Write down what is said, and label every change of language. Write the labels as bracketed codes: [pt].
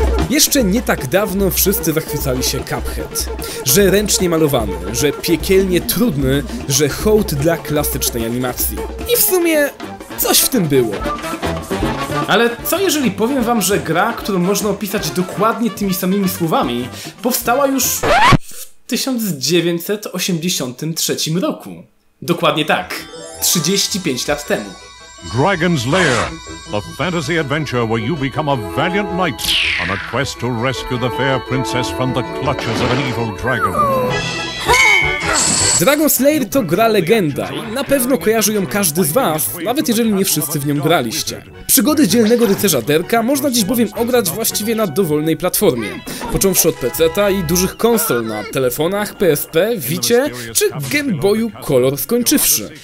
[pl] Jeszcze nie tak dawno wszyscy zachwycali się Cuphead. Że ręcznie malowany, że piekielnie trudny, że hołd dla klasycznej animacji. I w sumie coś w tym było. Ale co jeżeli powiem wam, że gra, którą można opisać dokładnie tymi samymi słowami, powstała już w 1983 roku. Dokładnie tak, 35 lat temu. [en] Dragon's Lair, a fantasy adventure where you become a valiant knight on a quest to rescue the fair princess from the clutches of an evil dragon. [pl] Dragon's Lair to gra legenda i na pewno kojarzy ją każdy z was, nawet jeżeli nie wszyscy w nią graliście. Przygody dzielnego rycerza Derka można dziś bowiem ograć właściwie na dowolnej platformie. Począwszy od peceta i dużych konsol na telefonach, PSP, Wicie czy Game Boyu Color skończywszy.